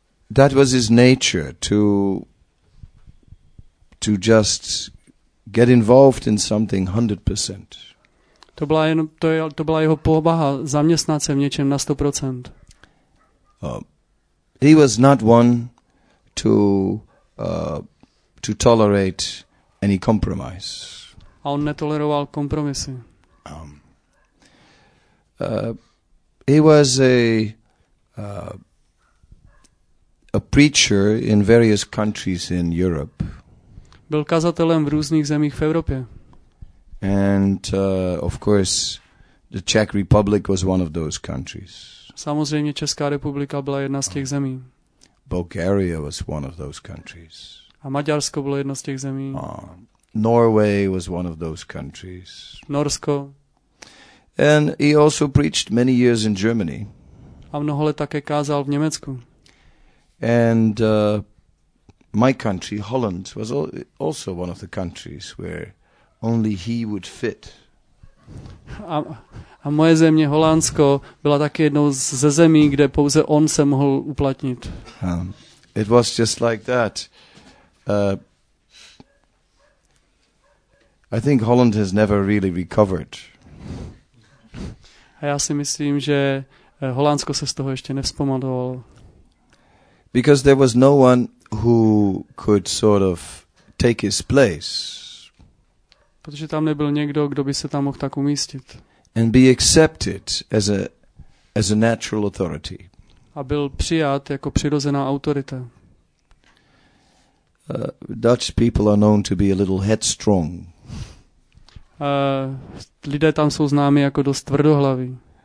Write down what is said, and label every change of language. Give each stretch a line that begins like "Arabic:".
English: That was his nature to just get involved in something 100%.
Czech: To byla jeho povaha, zaměstnat se v něčem na 100%.
English: He was not one to tolerate any compromise.
Czech: A on netoleroval kompromisy.
English: He was a preacher in various countries in Europe.
Czech: Byl kazatelem v různých zemích v Evropě.
English: And of course the Czech Republic was one of those countries.
Czech: Samozřejmě Česká republika byla jedna z těch zemí.
English: Bulgaria was one of those countries.
Czech: A Maďarsko bylo jedna z těch zemí.
English: Norway was one of those countries.
Czech: Norsko.
English: And he also preached many years in Germany.
Czech: A mnoho let také kázal v Německu.
English: And my country, Holland, was also one of the countries where only he would fit.
Czech: A moje země, Holandsko, byla taky jednou ze zemí, kde pouze on se mohl uplatnit.
English: It was just like that. I think Holland has never really recovered.
Czech: A já si myslím, že Holandsko se z toho ještě nevzpamatovalo.
English: Because there was no one who could sort of take his place.
Czech: Protože tam nebyl někdo, kdo by se tam mohl tak umístit.
English: And be accepted as a natural authority.
Czech: A byl přijat jako přirozená autorita.
English: Dutch people are known to be a little headstrong.
Czech: Lidé tam jsou známi jako dost tvrdohlaví.